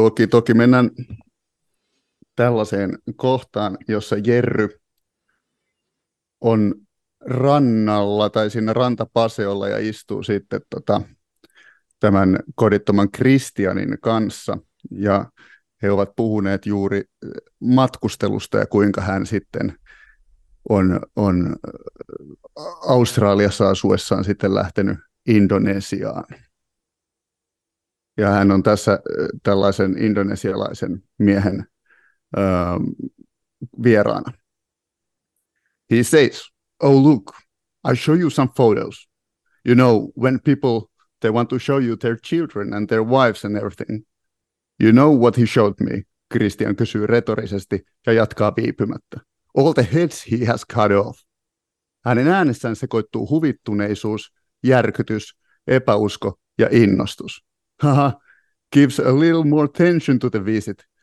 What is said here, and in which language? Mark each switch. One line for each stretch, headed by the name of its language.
Finnish: Toki mennään tällaiseen kohtaan, jossa Jerry on rannalla tai siinä rantapaseolla ja istuu sitten tämän kodittoman Kristianin kanssa, ja he ovat puhuneet juuri matkustelusta ja kuinka hän sitten on Australiassa asuessaan sitten lähtenyt Indonesiaan. Ja hän on tässä tällaisen indonesialaisen miehen vieraana.
English: He says, "Oh look, I show you some photos. You know, when people, they want to show you their children and their wives and everything. You know what he showed me?"
Finnish: Christian kysyy retorisesti ja jatkaa viipymättä.
English: "All the heads he has cut off."
Finnish: Hänen äänessään sekoittuu huvittuneisuus, järkytys, epäusko ja innostus.
English: "Haha, gives a little more tension to the visit.